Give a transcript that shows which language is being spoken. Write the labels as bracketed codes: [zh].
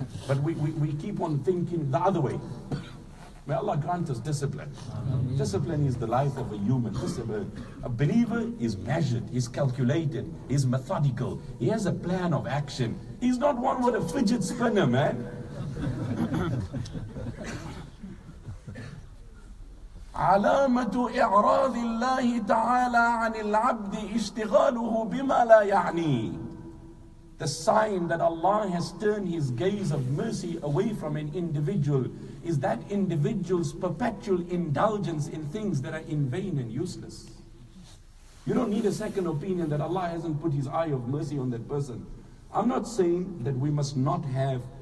[en] But we keep on thinking the other way. May Allah grant us discipline. Amen. Discipline is the life of a human. Discipline. A believer is measured, he's calculated, he's methodical. He has a plan of action. He's not one with a fidget spinner, man. [ar] علامة إعراض الله تعالى عن العبد اشتغاله بما لا يعني. [en] The sign that Allah has turned his gaze of mercy away from an individual is that individual's perpetual indulgence in things that are in vain and useless. You don't need a second opinion that Allah hasn't put his eye of mercy on that person. I'm not saying that we must not have